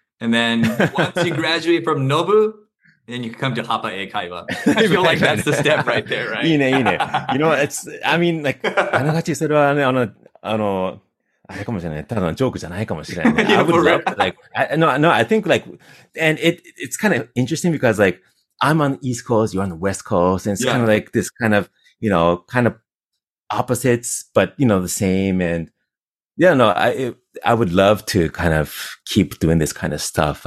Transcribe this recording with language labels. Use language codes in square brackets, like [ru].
[en] And then, once you graduate from Nobu, then you can come to Hapa Eikaiwa. I feel like that's the step right there, right? [ja] いいね、いいね。 [en] You know, it's, I mean, like, [ja] あながち、それはね、あれかもしれない。ただのジョークじゃないかもしれない。 yeah, [en] I would love to, like, I think like, and it's kind of interesting because like, I'm on the East Coast, you're on the West Coast, and it's kind of like this kind of, you know, kind of opposites, but you know, the same. And yeah, no, I would love to kind of keep doing this kind of stuff.